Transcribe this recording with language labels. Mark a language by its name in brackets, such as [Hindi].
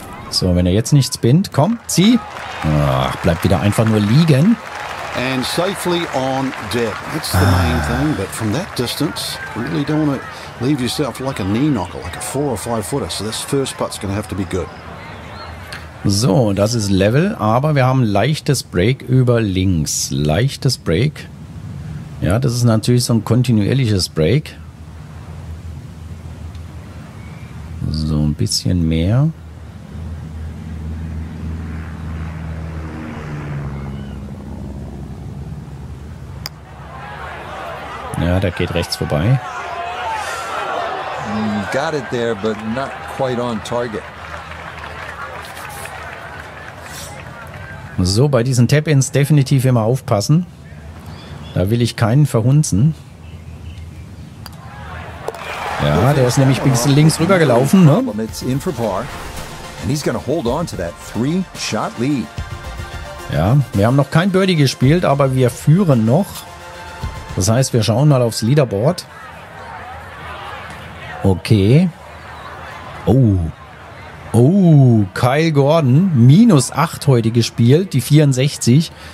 [German] So, wenn er jetzt nicht spinnt, komm, zieh. Ach, bleibt wieder einfach nur liegen. [English] And safely on deck. That's the main thing, but from that distance, really don't want to leave yourself like a knee knocker, like a 4 or 5 footer. So this first putt's going to have to be good. [German] So, das ist Level, aber wir haben leichtes Break über links. Leichtes Break. Ja, das ist natürlich so ein kontinuierliches Break. So, ein bisschen mehr. Ja, der geht rechts vorbei. [English] Got it there, but not quite on target. [German] So, bei diesen Tap-Ins definitiv immer aufpassen. Da will ich keinen verhunzen. Ja, der ist nämlich ein bisschen links rübergelaufen, ne? [English] And he's gonna hold on to that 3-shot lead. [German] Ja, wir haben noch kein Birdie gespielt, aber wir führen noch. Das heißt, wir schauen mal aufs Leaderboard. Okay. Oh. Oh, Kyle Gordon. Minus 8 heute gespielt, die 64.